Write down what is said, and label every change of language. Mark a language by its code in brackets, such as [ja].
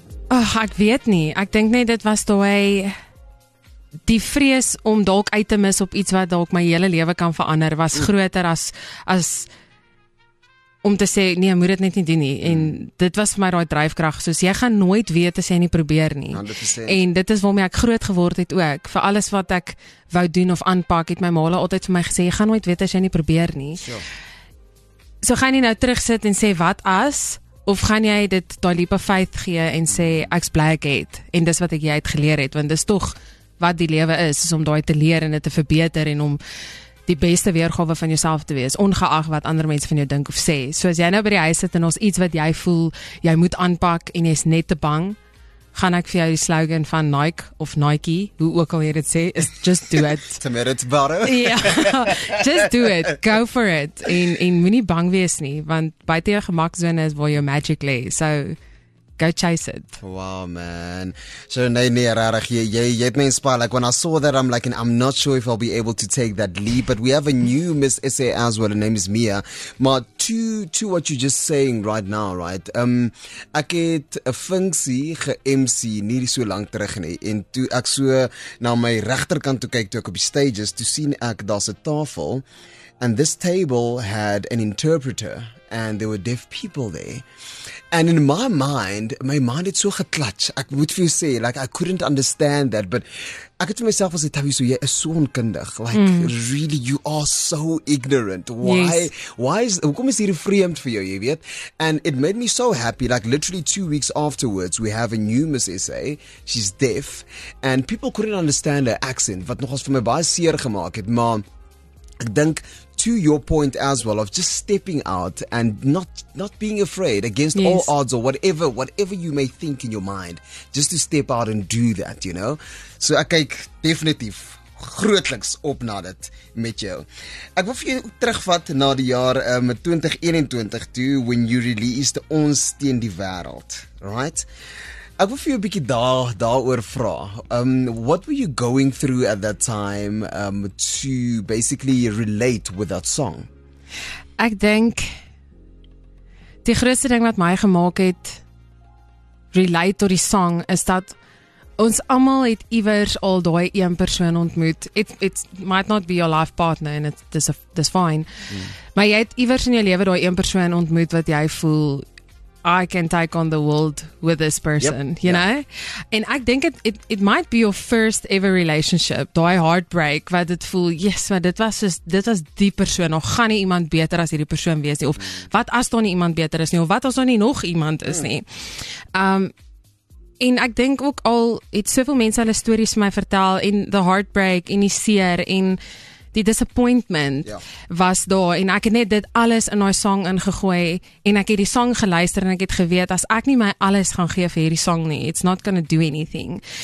[af] Ag, ek weet nie. Ek dink net dit was daai die vrees om dalk uit te mis op iets wat dalk my hele lewe kan verander was groter as om te sê nee, moet dit net nie doen nie. En dit was vir my daai dryfkrag, soos jy gaan nooit weet as jy nie probeer nie. 100%. En dit is waarmee ek groot geword het ook. Vir alles wat ek wou doen of aanpak, het my ma altyd vir my gesê jy gaan nooit weet as jy nie probeer nie. [en] Sure. [af] So gaan jy nou terugsit en sê wat as? Of gaan jy dit daai [en] leap of faith [af] gee en sê ek's bly ek het en dis wat ek jy het geleer het, want dis tog wat die lewe is om daai te leer en dit te verbeter en om die beste weergawe van jouself te wees, ongeag wat ander mense van jou dink of sê. So as jy nou by die huis sit en ons iets wat jy voel jy moet aanpak en jy's net te bang, gaan ek vir jou die slogan van Nike of Nike, hoe ook al jy dit sê, is [en] just do it. Tomato's butter. [af] Ja, [en] just do it. Go for it. [af] En moenie bang wees nie, want buiten jou gemakzone is waar jou magic lay. [en] So, go chase it. [af] Wow, man. So, nee, rarig. Jy het my inspired. [en] Like, when I saw that, I'm like, and I'm not sure if I'll be able to take that leap, but we have a new Miss SA as well. Her name is Mia. Maar to what you're just saying right now, right? [af] Ek het 'n funksie ge-MC nie so lank terug nie. En toe ek so na my regterkant toe kyk, toe ek op die stages, toe sien ek daar's 'n tafel. [en] And this table had an interpreter and there were deaf people there. And in my mind is so geklatsch. [af] Ek moet vir jou sê, like, [en] I couldn't understand that, but [af] ek het vir myself gesê, Tabiso, jy is so onkundig. [en] Like, really, you are so ignorant. [af] Hoekom is hier vreemd vir jou, jy weet? [en] And it made me so happy. Like, literally 2 weeks afterwards, we have a new Miss SA. She's deaf. And people couldn't understand her accent, [af] wat nogals vir my baie seer gemaakt het. [en] Maar ek dink, to your point as well, of just stepping out and not being afraid against all odds or whatever you may think in your mind, just to step out and do that, you know? [af] So ek kyk definitief grootliks op na dit met jou. Ek wil vir jou terugvat na die jaar 2021 toe, when you released Ons Teen die Wêreld, right? Ek wil vir jou 'n bietjie daaroor vra. [en] What were you going through at that time to basically relate with that song? [af] Ek dink die grootste ding wat my gemaak het relate tot die song is dat ons almal het iewers al daai een persoon ontmoet. [en] It might not be your life partner and it's fine. [af] Maar jy het iewers in jou lewe daai een persoon ontmoet wat jy voel [en] I can take on the world with this person, you know? And I think it might be your first ever relationship. [af] Daai heartbreak wat dit voel, yes, maar dit was die persoon. Of gaan nie iemand beter as hierdie persoon wees nie? Of wat as daar nie iemand beter is nie? Of wat as daar nie nog iemand is nie? En ek dink ook al het soveel mense hulle stories vir my vertel en the heartbreak en die seer en die disappointment was daar en ek het net dit alles in daai song ingegooi en ek het die song geluister en ek het geweet as ek nie my alles gaan gee vir hierdie song nie, [en] it's not gonna do anything.